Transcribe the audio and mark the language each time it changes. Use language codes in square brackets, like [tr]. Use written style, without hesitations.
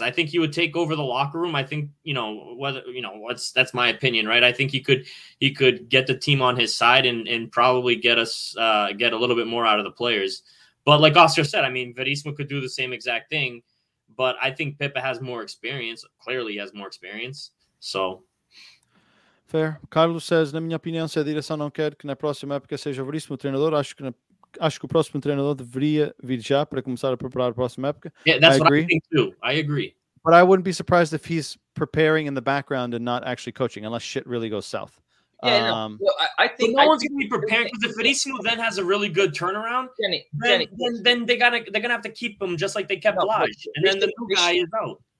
[en] I think he would take over the locker room. I think, you know, that's my opinion, right? I think he could get the team on his side and probably get us get a little bit more out of the players. But like Oscar said, I mean, Verissimo could do the same exact thing, but I think Pippa has more experience. Clearly he has more experience. So fair. [pt] Carlos says, na minha opinião, se a direção não quer que na próxima época seja Verissimo o treinador, acho que o próximo treinador deveria vir já para começar a preparar a próxima época. [en] Yeah, that's what I think too. I agree. But I wouldn't be surprised if he's preparing in the background and not actually coaching, unless shit really goes south. Yeah, I think no one's going to be preparing, because if Verissimo then has a really good turnaround, then they're gonna have to keep him just like they kept Lage. And then the new guy is out.